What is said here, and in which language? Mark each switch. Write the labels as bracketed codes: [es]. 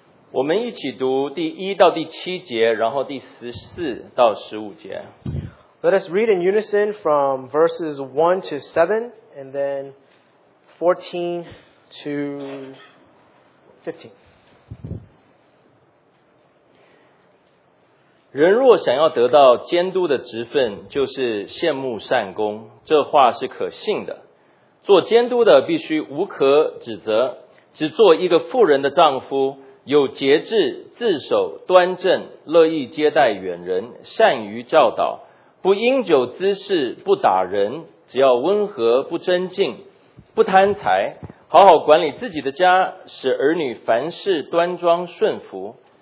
[zh] 我们一起读第一到第七节，然后第十四到十五节。 [en] Let us read in unison from verses 1 to 7, and then 14 to 15. [zh] 人若想要得到监督的职分，就是羡慕善工，这话是可信的。做监督的必须无可指责，只做一个妇人的丈夫，有节制，自守端正，乐意接待远人，善于教导，不饮酒滋事，不打人，只要温和，不争竞，不贪财，好好管理自己的家，使儿女凡事端庄顺服。